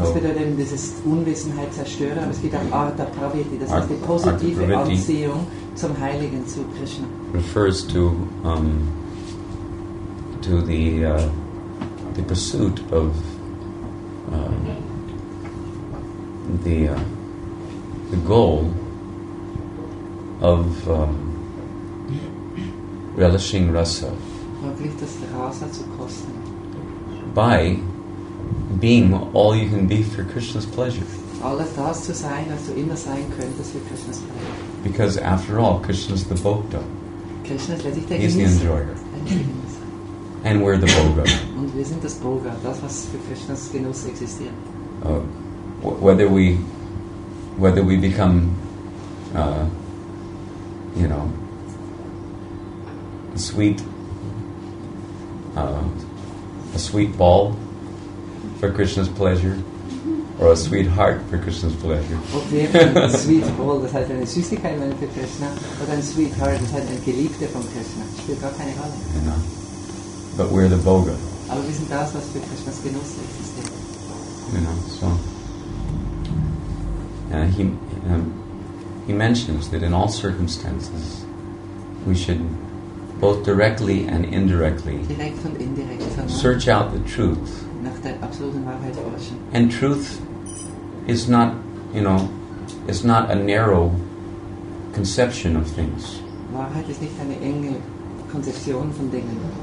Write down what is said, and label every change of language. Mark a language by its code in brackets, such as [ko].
[de] das bedeutet eben dieses Unwissenheit zerstören, aber es gibt auch artha pravritti. Das ist die positive Anziehung zum Heiligen, zu Krishna. [en] Refers to the pursuit of the goal of relishing rasa. [de] Wirklich das Rasa zu kosten. [en] By being all you can be for Krishna's pleasure. [de] Alles das zu sein, was du immer sein könntest für [en] Krishna's pleasure. Because after all, Krishna's the bhokta. [de] Krishna ist letztlich der Genießer. [en] He's the enjoyer. And we're the bhoga. [de] Und wir sind das bhoga, das was für Krishna's Genuss existiert. [en] Whether we become you know, a sweet ball for Krishna's pleasure, or a sweet heart for Krishna's pleasure. Okay, a sweet ball, [de] das heißt eine Süßigkeit für Krishna, oder ein sweet heart, das heißt ein Geliebter von Krishna. Spielt gar keine Rolle. [en] Yeah. But we're the bhoga. [de] Aber wir sind das, was für Krishna's Genuss existiert. [en] You know, so. He mentions that in all circumstances we should both directly and indirectly search out the truth. [de] Nach der absoluten Wahrheit forschen. [en] And truth is not, you know, is not a narrow conception of things. [de] Wahrheit ist nicht eine enge Konzeption von Dingen.